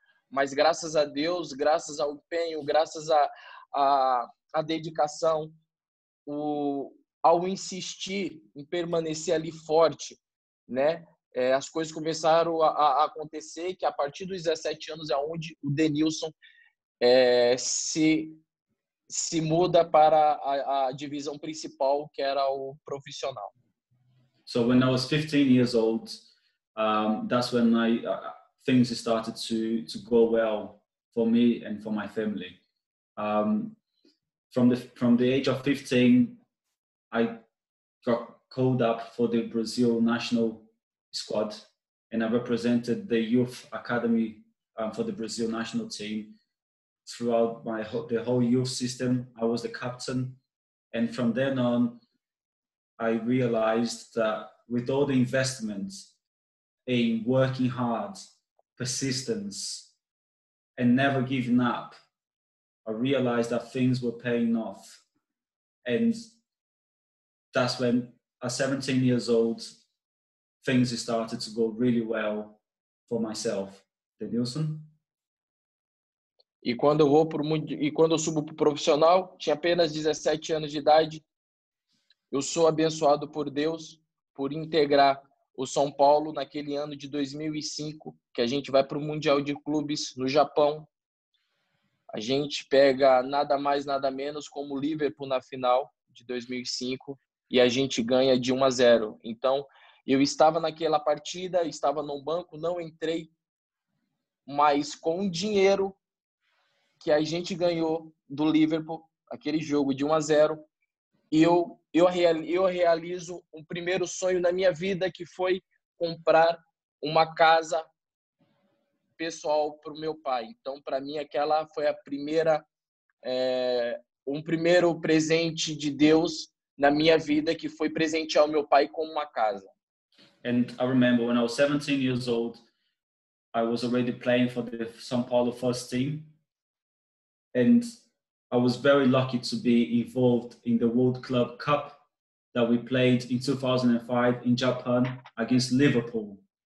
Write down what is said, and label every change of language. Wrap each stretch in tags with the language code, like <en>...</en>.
<pt>Mas graças a Deus, graças ao empenho, graças à dedicação, ao insistir em permanecer ali forte, né? As coisas começaram a acontecer, que a partir dos 17 anos é onde o Denilson se muda para a divisão principal, que era o profissional.</pt> <en>So when I was 15 years old, that's when things started to go well for me and for my family. From the age of 15, I got called up for the Brazil national squad, and I represented the youth academy for the Brazil national team throughout the whole youth system. I was the captain, and from then on, I realized that with all the investments in working hard, persistence, and never giving up, I realized that things were paying off. And that's when, at 17 years old, things started to go really well for myself. Denilson?</en> <pt>E quando eu vou pro mundo, e quando eu subo pro profissional, tinha apenas 17 anos de idade. Eu sou abençoado por Deus por integrar o São Paulo naquele ano de 2005, que a gente vai pro Mundial de Clubes no Japão. A gente pega nada mais nada menos como o Liverpool na final de 2005 e a gente ganha de 1 a 0. Então, eu estava naquela partida, estava no banco, não entrei, mas com o dinheiro que a gente ganhou do Liverpool, aquele jogo de 1 a 0, eu realizo um primeiro sonho na minha vida, que foi comprar uma casa pessoal para o meu pai. Então, para mim, aquela foi a primeira, um primeiro presente de Deus na minha vida, que foi presentear o meu pai com uma casa.</pt> <en>And I remember when I was 17 years old, I was already playing for the São Paulo first team. And I was very lucky to be involved in the World Club Cup that we played in 2005 in Japan against Liverpool.</en>